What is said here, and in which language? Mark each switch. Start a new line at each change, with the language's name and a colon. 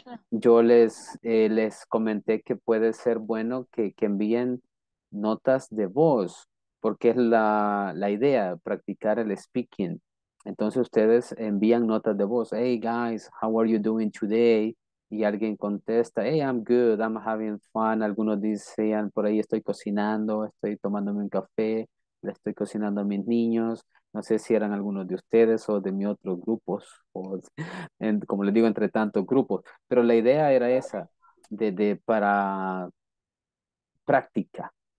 Spanish: Yo les comenté que puede ser bueno que envíen notas de voz, porque es la idea, practicar el speaking. Entonces ustedes envían notas de voz.
English: Hey guys, how are you doing today?
Spanish: Y alguien contesta,
English: hey, I'm good, I'm having fun.
Spanish: Algunos dicen, por ahí estoy cocinando, estoy tomándome un café, le estoy cocinando a mis niños. No sé si eran algunos de ustedes o de mi otros grupos, o como les digo, entre tantos grupos. Pero la idea era esa, de para práctica.